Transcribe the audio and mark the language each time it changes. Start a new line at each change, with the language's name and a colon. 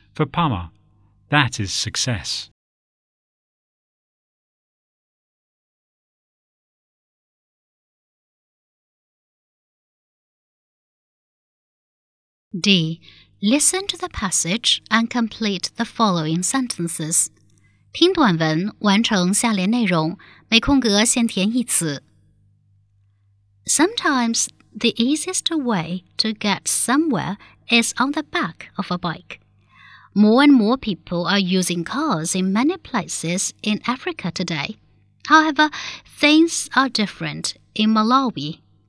English: For Pama, that is success. D. Listen to the passage and complete the following sentences.
Chinese: 听短文完成下列内容，每空格先填一词。
English: Sometimes the easiest way to get somewhere is on the back of a bike. More and more people are using cars in many places in Africa today. However, things are different in Malawi.